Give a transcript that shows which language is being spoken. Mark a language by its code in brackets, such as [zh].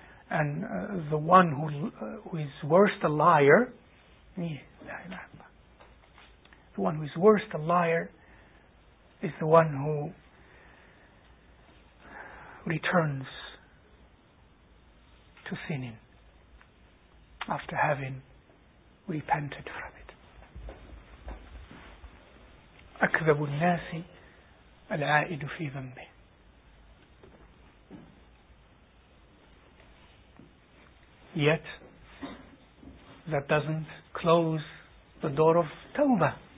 [en] And the one who is worst a liar, the one who is worst a liar is the one who returns to sinning after having repented from it. [ar] أكذب الناس العائد في ذنبه. [en] Yet that doesn't close the door of tawbah.